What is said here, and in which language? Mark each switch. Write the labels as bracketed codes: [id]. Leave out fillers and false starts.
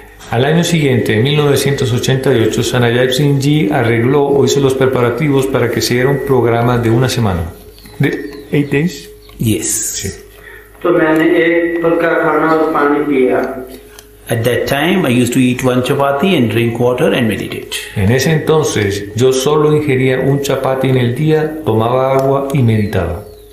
[es] Al año siguiente, en 1988, Sant Ajay Singh Ji arregló o hizo los preparativos para que se diera un programa de una semana. [en] ¿De 8 days? Yes. [es] Sí. [en] At that time, I used to eat one chapati and drink water and meditate. [es] En ese entonces, yo solo ingería un chapati en el día, tomaba agua y meditaba.